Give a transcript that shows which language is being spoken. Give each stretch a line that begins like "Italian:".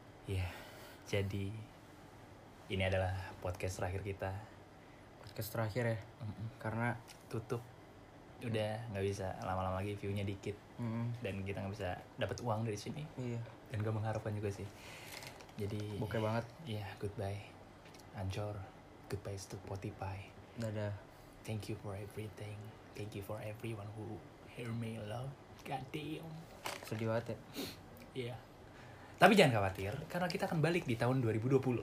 Indonesian: Ya, jadi ini adalah podcast terakhir kita. Podcast terakhir ya, karena tutup. Udah gak bisa lama-lama lagi, view-nya dikit. Dan kita gak bisa dapat uang dari sini. Iya. Dan gak mengharapkan juga sih. Jadi bokeh banget.
English: Iya, goodbye Anchor, goodbye to Spotify.
Indonesian: Dadah.
English: Thank you for everything. Thank you for everyone who hear me love. God damn.
Indonesian: Sedih banget ya. Iya. Yeah. Tapi jangan khawatir, karena kita akan balik di tahun 2020.